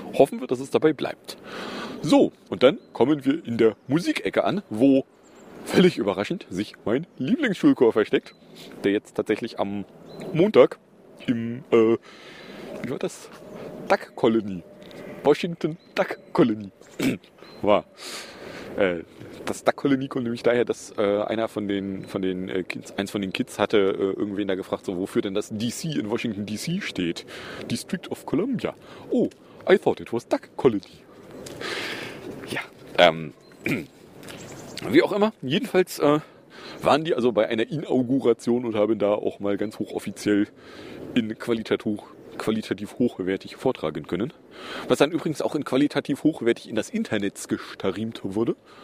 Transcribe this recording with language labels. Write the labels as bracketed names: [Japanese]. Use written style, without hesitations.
[German] Hoffen wir, dass es dabei bleibt. So, und dann kommen wir in der Musikecke an, wo völlig überraschend sich mein Lieblingsschulchor versteckt, der jetzt tatsächlich am Montag im, wie war das? Duck Colony. Washington Duck Colony. War. Das Duck-Kolonie kommt nämlich daher, dass einer von den Kids hatte irgendwen da gefragt, so, wofür denn das DC in Washington DC steht. [English] District of Columbia. Oh, I thought it was Duck-Kolonie. [German] Ja, wie auch immer, jedenfalls waren die also bei einer Inauguration und haben da auch mal ganz hochoffiziell in qualitativ hochwertig vortragen können. Was dann übrigens auch in qualitativ hochwertig in das Internet gestreamt wurde.